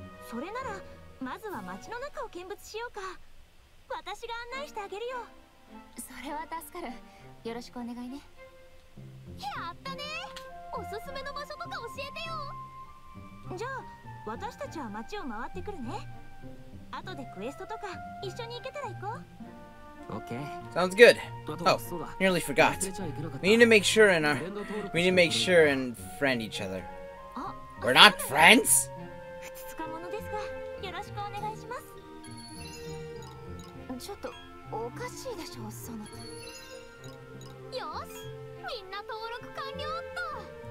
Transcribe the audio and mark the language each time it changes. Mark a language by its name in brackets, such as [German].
[Japanese] それならまずは街の中を見物しようか。私が案内してあげるよ。それは助かる。よろしくお願いね。やったね。おすすめの場所とか教えてよ。じゃあ私たちは町を回ってくるね。後でクエストとか一緒に行けたら行こう。 [English] Okay. Sounds good. Oh, nearly forgot. We need to make sure and our we need to make sure and friend each other. We're not friends? [Japanese] ふつつかものですが、よろしくお願いします。ちょっとおかしいでしょ、その。よし、みんな登録完了っと。